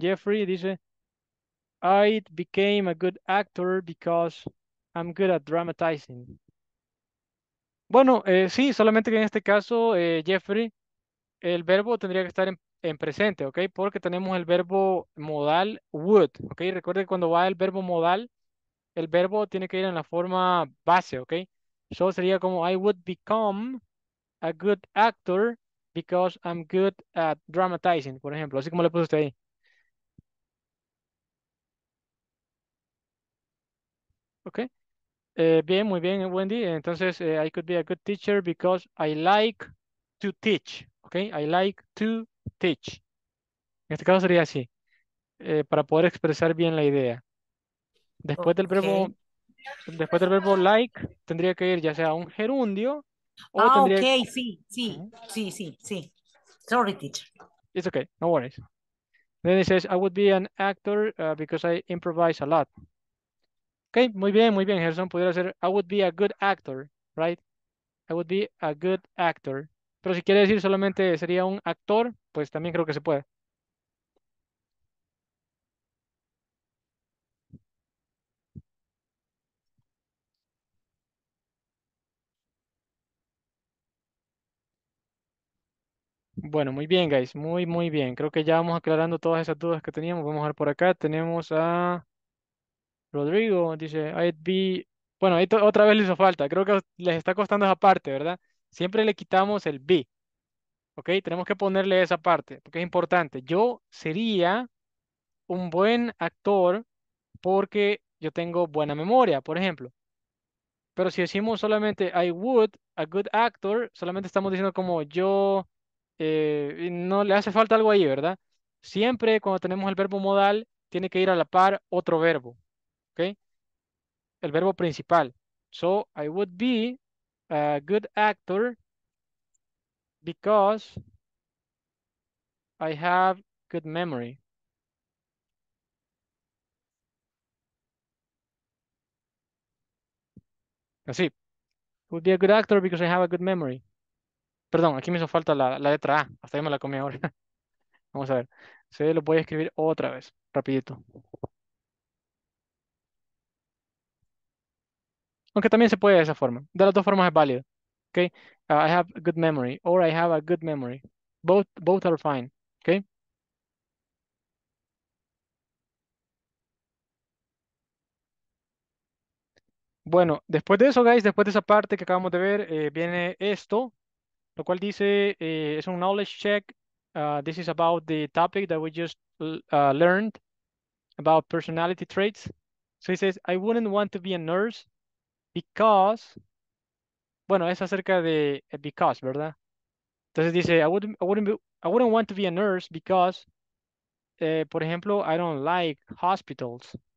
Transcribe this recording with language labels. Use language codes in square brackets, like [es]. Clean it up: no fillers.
[en] Jeffrey [es] dice, [en] I became a good actor because I'm good at dramatizing. [es] Bueno, sí, solamente que en este caso, Jeffrey, el verbo tendría que estar en presente, ¿ok? Porque tenemos el verbo modal would, ¿ok? Recuerde que cuando va el verbo modal, el verbo tiene que ir en la forma base, ¿ok? [en] So [es] sería como, [en] I would become a good actor because I'm good at dramatizing, [es] por ejemplo. Así como le puso usted ahí. [en] Ok. [es] Bien, muy bien, [en] Wendy. [es] Entonces, [en] I could be a good teacher because I like to teach. [es] Ok. [en] I like to teach. [es] En este caso sería así. Para poder expresar bien la idea. Después del verbo, después del verbo like, tendría que ir ya sea un gerundio. Ah, tendría... okay, sí. [en] Sorry, teacher. It's okay, no worries. Then he says, I would be an actor because I improvise a lot. Okay, [es] muy bien, [en] Gerson. [es] Pudiera ser, [en] I would be a good actor, right? I would be a good actor. [es] Pero si quiere decir solamente sería un actor, pues también creo que se puede. Bueno, muy bien, guys. Muy bien. Creo que ya vamos aclarando todas esas dudas que teníamos. Vamos a ver por acá. Tenemos a Rodrigo. Dice, [en] I'd be... [es] Bueno, ahí otra vez le hizo falta. Creo que les está costando esa parte, ¿verdad? Siempre le quitamos el be. ¿Ok? Tenemos que ponerle esa parte porque es importante. Yo sería un buen actor porque yo tengo buena memoria, por ejemplo. Pero si decimos solamente [en] I would a good actor, [es] solamente estamos diciendo como yo... no le hace falta algo ahí, ¿verdad? Siempre cuando tenemos el verbo modal, tiene que ir a la par otro verbo, ¿ok? El verbo principal. [en] So, I would be a good actor because I have good memory. [es] Así. [en] I would be a good actor because I have a good memory. [es] Perdón, aquí me hizo falta la letra A. Hasta ahí me la comí ahora. Vamos a ver. Se lo voy a escribir otra vez. Rapidito. Aunque también se puede de esa forma. De las dos formas es válido. Okay? [en] I have a good memory. Or I have a good memory. Both are fine. Okay? [es] Bueno, después de eso, guys. Después de esa parte que acabamos de ver. Viene esto. Lo cual dice, es un knowledge check. [en] This is about the topic that we just learned about personality traits. So he says, I wouldn't want to be a nurse because [es] Bueno, es acerca de because, ¿verdad? Entonces dice, [en] I wouldn't want to be a nurse because, [es] por ejemplo, [en] I don't like hospitals.